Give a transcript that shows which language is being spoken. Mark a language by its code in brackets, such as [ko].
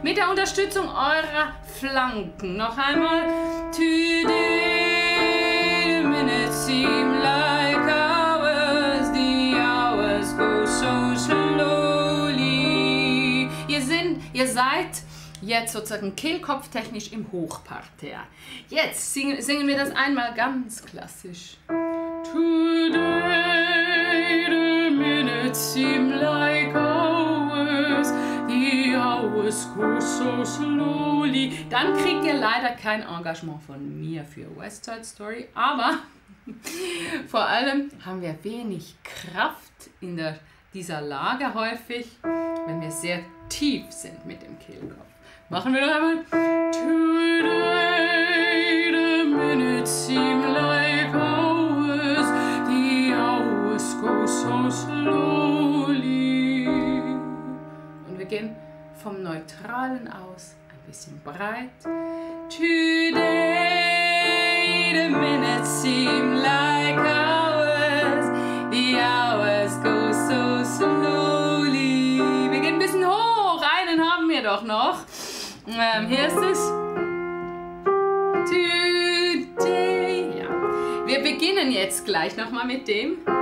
[de] Unterstützung eurer Flanken. Noch einmal. [en] Today, the minutes seem like hours, the hours go so slowly. [de] Ihr seid jetzt sozusagen kehlkopftechnisch im Hochparterre. Jetzt singen wir das einmal ganz klassisch. [en] Today, the minutes seem like hours, hours go so slowly. [de] Dann kriegt ihr leider kein Engagement von mir für West Side Story, aber vor allem haben wir wenig Kraft in dieser Lage häufig, wenn wir sehr tief sind mit dem Kehlkopf. Machen wir noch einmal. [en] Today the minutes seem like hours, the hours go so slowly. [de] Und wir gehen vom Neutralen aus, ein bisschen breit. [en] Today, the minutes seem like hours, the hours go so slowly. [de] Wir gehen ein bisschen hoch, einen haben wir doch noch. Hier ist es. Today. Ja. Wir beginnen jetzt gleich nochmal mit dem.